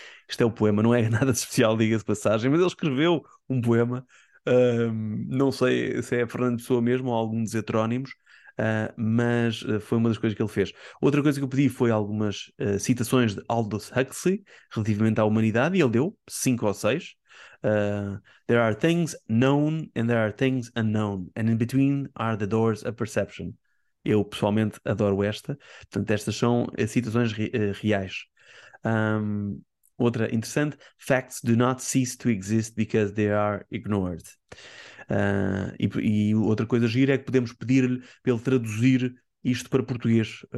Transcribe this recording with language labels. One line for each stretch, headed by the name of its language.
Portuguese: Este é o poema, não é nada especial, diga-se passagem, mas ele escreveu um poema. Não sei se é Fernando Pessoa mesmo ou algum dos heterónimos, mas foi uma das coisas que ele fez. Outra coisa que eu pedi foi algumas citações de Aldous Huxley relativamente à humanidade, e ele deu cinco ou seis.
English: There are things known and there are things unknown, and in between are the doors of perception.
Portuguese: Eu pessoalmente adoro esta, portanto, estas são citações reais. Outra interessante:
English: facts do not cease to exist because they are ignored.
Portuguese: E outra coisa gira é que podemos pedir-lhe para ele traduzir isto para português.